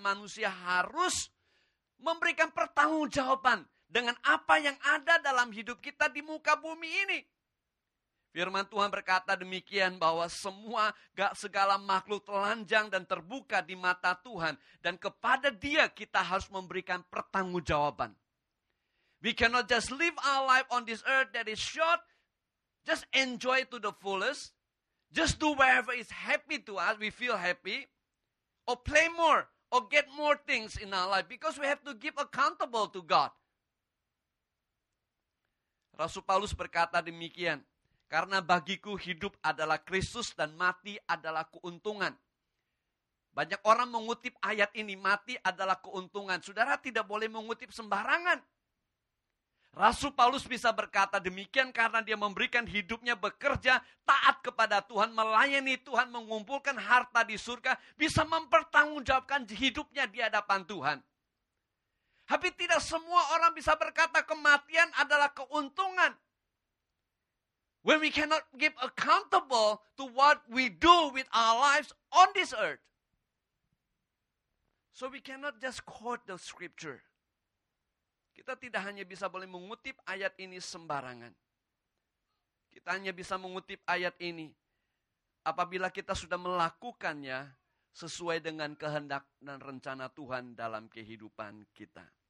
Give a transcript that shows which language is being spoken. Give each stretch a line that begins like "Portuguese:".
Indonesian: Manusia harus memberikan pertanggungjawaban dengan apa yang ada dalam hidup kita di muka bumi ini. Firman Tuhan berkata demikian, bahwa semua segala makhluk telanjang dan terbuka di mata Tuhan. Dan kepada Dia kita harus memberikan pertanggungjawaban.
English: We cannot just live our life on this earth that is short. Just enjoy to the fullest. Just do whatever is happy to us. We feel happy. Or play more. Or get more things in our life. Because we have to give accountable to God.
Indonesian: Rasul Paulus berkata demikian. Karena bagiku hidup adalah Kristus dan mati adalah keuntungan. Banyak orang mengutip ayat ini, mati adalah keuntungan. Saudara tidak boleh mengutip sembarangan. Rasul Paulus bisa berkata demikian karena dia memberikan hidupnya bekerja, taat kepada Tuhan, melayani Tuhan, mengumpulkan harta di surga, bisa mempertanggungjawabkan hidupnya di hadapan Tuhan. Tapi tidak semua orang bisa berkata kematian adalah keuntungan.
English: When we cannot give accountable to what we do with our lives on this earth. So we cannot just quote the scripture.
Indonesian: Kita tidak hanya bisa boleh mengutip ayat ini sembarangan. Kita hanya bisa mengutip ayat ini apabila kita sudah melakukannya sesuai dengan kehendak dan rencana Tuhan dalam kehidupan kita.